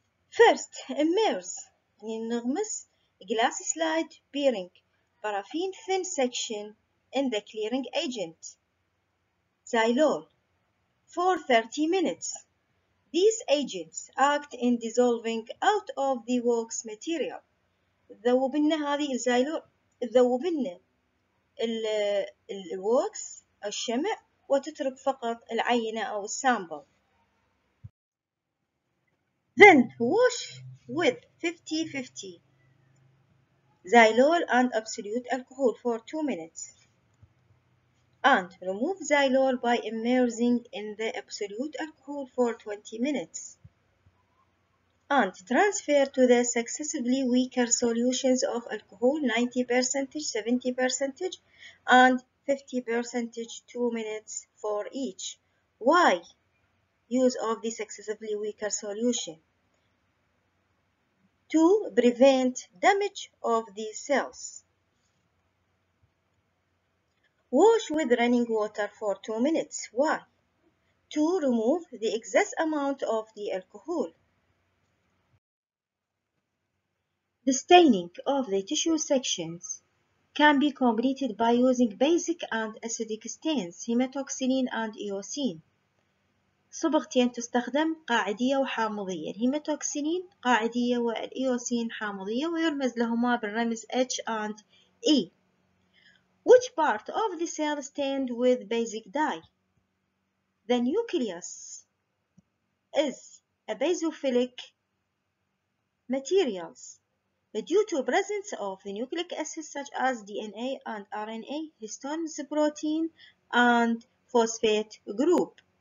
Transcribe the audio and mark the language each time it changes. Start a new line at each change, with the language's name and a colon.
English: First, immerse enormous glass slide bearing paraffin thin section in the clearing agent, xylol, for 30 minutes. These agents act in dissolving out of the wax material.
Arabic: ذوبنا هذه الزايلول ذوبنا الووكس الشمع وتترك فقط العينة أو السامبل.
English: Then wash with 50-50 xylol and absolute alcohol for 2 minutes and remove xylol by immersing in the absolute alcohol for 20 minutes and transfer to the successively weaker solutions of alcohol 90%, 70%, and 50% 2 minutes for each. Why use of the successively weaker solution? To prevent damage of the cells. Wash with running water for 2 minutes. Why? To remove the excess amount of the alcohol. The staining of the tissue sections can be completed by using basic and acidic stains, hematoxylin and eosin.
Arabic: صبغتين تستخدم قاعدية وحامضية، الهيماتوكسيلين قاعدية والإيوسين حامضية ويرمز لهما بالرمز H and E.
English: Which part of the cell stained with basic dye? The nucleus is a basophilic materials. But due to presence of the nucleic acids such as DNA and RNA, histones, protein, and phosphate group.